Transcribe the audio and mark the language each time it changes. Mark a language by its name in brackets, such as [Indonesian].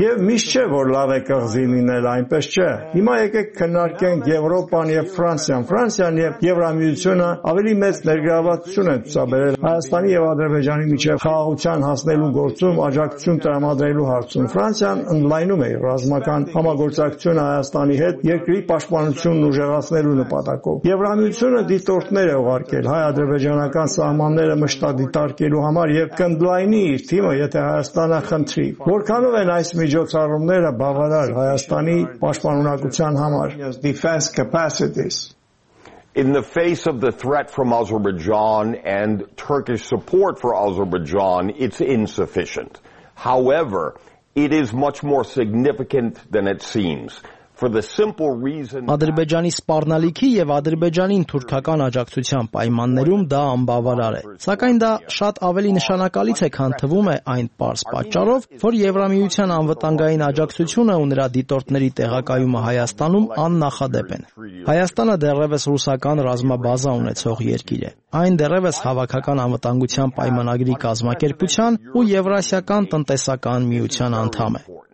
[Armenian] Եվ միշտ չէ, որ լավ է կղզի լինել, այնպես չէ։ Հիմա եկեք քննարկենք Եվրոպան եւ Ֆրանսիան։ Ֆրանսիան եւ Եվրամիությունը ավելի մեծ ներգրավվածություն են ցուցաբերել Հայաստանի եւ Ադրբեջանի միջև խաղաղության հասնելու գործում, աջակցություն տրամադրելու հարցում։ Ֆրանսիան ընդլայնում է ռազմական համագործակցությունը Հայաստանի հետ երկրի պաշտպանությունն ուժեղացնելու նպատակով։ Եվրամիությունը դիտորդներ է ուղարկել հայ-ադրբեջանական սահմանները մշտադիտարկելու համար եւ կընդլայնի իր թիմը, եթե Հայաստանը [English] country. [Armenian] Որքանով են այս միջոցառումները բավարար Հայաստանի պաշտպանունակության համար? [English] Defense capacities. In the face of the threat from Azerbaijan and Turkish support for Azerbaijan, it's insufficient. However, it is much more significant than it seems. For the simple reason [Armenian] Ադրբեջանի սպառնալիքի եւ Ադրբեջանին թուրքական աջակցության պայմաններում դա անբավարար է, սակայն դա շատ ավելի նշանակալից է, քան թվում է, այն պարզ պատճառով, որ Եվրամիության անվտանգային աջակցությունը ու նրա դիտորդների տեղակայումը Հայաստանում աննախադեպ են։ Հայաստանը դեռևս ռուսական ռազմաբազա ունեցող երկիր է, այն դեռևս հավաքական անվտանգության պայմանագրի կազմակերպության ու Եվրասիական տնտեսական միության անդամ է։